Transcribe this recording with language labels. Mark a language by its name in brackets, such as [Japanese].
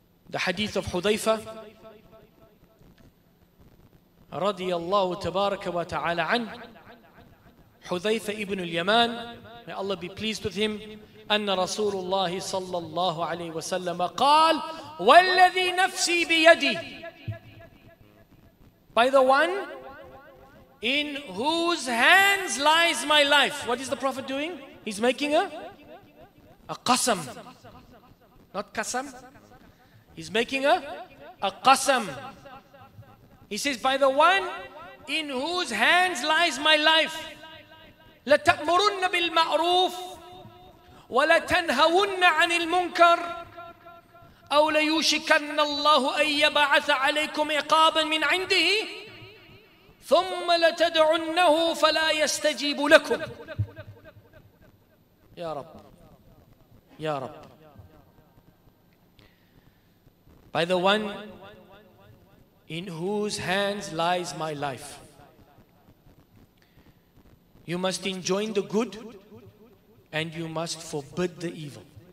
[English] The hadith of Hudhayfa radiyallahu tabaraka wa ta'ala an Hudhayfa ibn al-Yaman, may Allah be pleased with him, [Arabic] أن رسول الله صلى الله عليه وسلم قال والذي نفسي بيدي [English] By the one in whose hands lies my life. What is the Prophet doing? He's making a qasam. Not qasam. He's making a qasam. He says, by the one in whose hands lies my life. [Arabic] لتأمرن بالمعروف وَلَتَنْهَوُنَّ عَنِ الْمُنْكَرِ أَوْ لَيُوشِكَنَّ اللَّهُ أَنْ يَبَعَثَ عَلَيْكُمْ عِقَابًا مِنْ عِنْدِهِ ثُمَّ لَتَدْعُنَّهُ فَلَا يَسْتَجِيبُ لَكُمْ Ya Rabb, Ya Rabb. [English] By the one in whose hands lies my life, you must enjoin the good and you must forbid the evil.